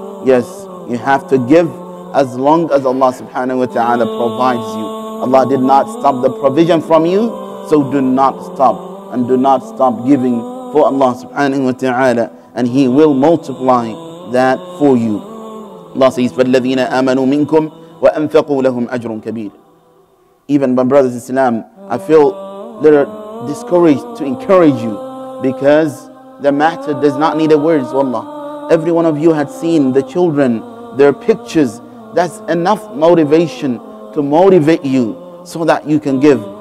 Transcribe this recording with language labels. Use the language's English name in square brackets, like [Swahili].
[English] Yes, you have to give as long as Allah subhanahu wa ta'ala provides you. Allah did not stop the provision from you, so do not stop, and do not stop giving for Allah subhanahu wa ta'ala, and He will multiply that for you. Allah says, [Arabic] فَالَّذِينَ آمَنُوا مِنْكُمْ وَأَنْفَقُوا لَهُمْ أَجْرٌ كَبِيرٌ. [English] Even my brothers in Islam, I feel they're discouraged to encourage you, because the matter does not need a words, wallah. Every one of you had seen the children, their pictures. That's enough motivation to motivate you so that you can give.